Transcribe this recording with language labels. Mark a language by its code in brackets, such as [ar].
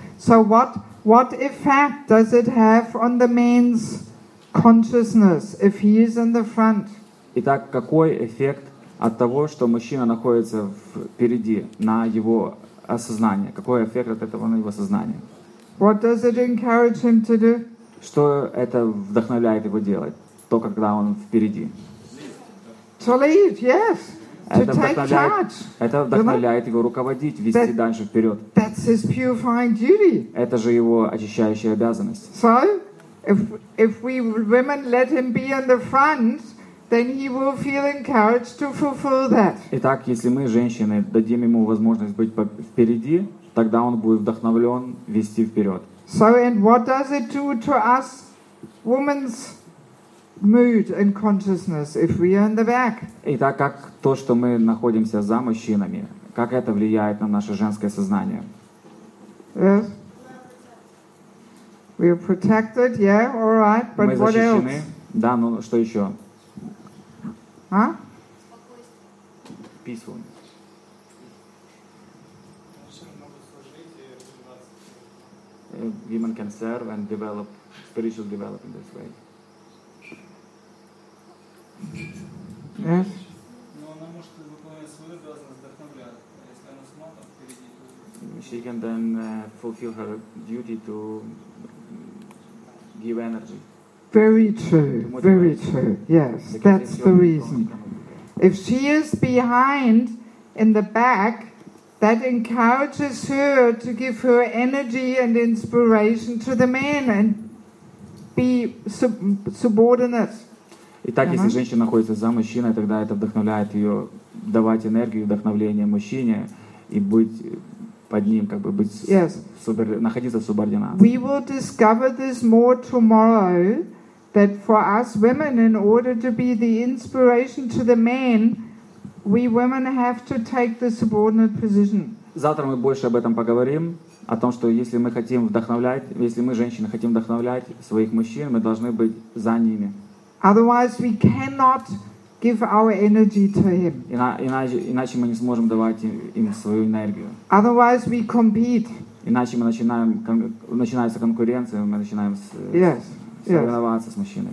[en] So what effect does it have on the man's consciousness if he is in the front? [ru] Итак, какой эффект от того, что мужчина находится впереди, на его осознание? Какой эффект от этого на его сознание? [en] What does it encourage him to do? [ru] Что это вдохновляет его делать? То, когда он впереди. [en] To lead, yes. To take charge. [ru] Это вдохновляет его руководить, вести дальше вперед. [en] That's his purifying duty. [ru] Это же его очищающая обязанность. [en] So, if we women let him be in the front, then he will feel encouraged to fulfill that. [ru] Итак, если мы, женщины, дадим ему возможность быть впереди, тогда он будет вдохновлен вести вперед. [en] So and what does it do to us, women's mood and consciousness, if we are in the back? [ru] Итак, как то, что мы находимся за мужчинами, как это влияет на наше женское сознание? [en] Yes. We are protected. Yeah. All right. But what else? [ru] Мы защищены. Да, но что еще? А? Спокойствие. [en] Peaceful. [ru] Все равно служить и развиваться. [en] Women can serve and develop, spiritual develop in this way. Yes. [ru] Но она может выполнять свою обязанность, вдохновлять, если она сама там впереди. [en] She can then fulfill her duty to give energy. Very true, very true. Yes, that's the reason. If she is behind in the back, that encourages her to give her energy and inspiration to the man and be subordinate. [ru] Итак, если женщина находится за мужчиной, тогда это вдохновляет ее давать энергию, вдохновление мужчине и быть под ним, как бы быть супер, находиться в субординации. [en] We will discover this more tomorrow, that for us women, in order to be the inspiration to the man, we women have to take the subordinate position. [ru] Завтра мы больше об этом поговорим, о том, что если мы хотим вдохновлять, если мы, женщины, хотим вдохновлять своих мужчин, мы должны быть за ними. [en] Otherwise we cannot give our energy to him. [ru] Иначе мы не сможем давать им свою энергию. [en] Otherwise we compete. [ru] Иначе мы начинается конкуренция, мы начинаем соревноваться с мужчинами.